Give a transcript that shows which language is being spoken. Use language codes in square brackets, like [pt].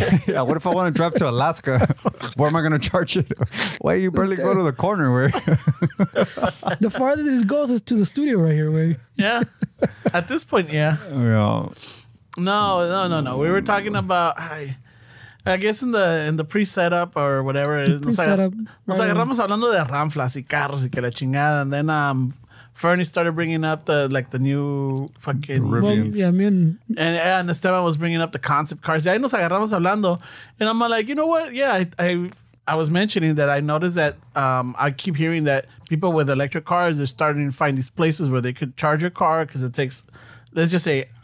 [en] Yeah, what if I wanna drive to Alaska? Where am I gonna charge it? Why you barely go to the corner where the farther this goes is to the studio right here, Way. Yeah. At this point, yeah. No. We were talking about I guess in the pre-setup or whatever. [es] Nos agarramos hablando de ranflas y carros y que la chingada. [en] And then Fernie started bringing up the new fucking... The reviews. Well, yeah, me and Esteban was bringing up the concept cars. [es] Y ahí nos agarramos hablando. [en] And I'm like, you know what? Yeah, I was mentioning that I noticed that I keep hearing that people with electric cars are starting to find these places where they could charge a car because it takes, let's just say...